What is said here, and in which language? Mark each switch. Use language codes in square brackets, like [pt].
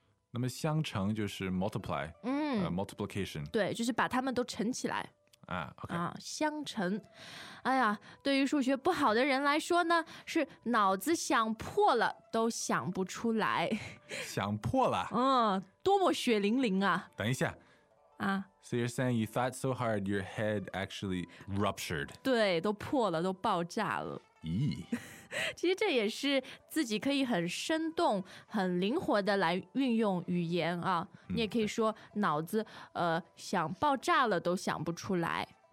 [zh] 那么相乘就是 multiply， multiplication。对，就是把它们都乘起来。 [en] Okay. [zh] 啊，相乘。哎呀，对于数学不好的人来说呢，是脑子想破了都想不出来。想破了。多么血淋淋啊！等一下。啊。 [en] So you're saying you thought so hard, your head actually ruptured. [zh] 对，都破了，都爆炸了。咦，其实这也是自己可以很生动、很灵活的来运用语言啊。你也可以说脑子想爆炸了都想不出来。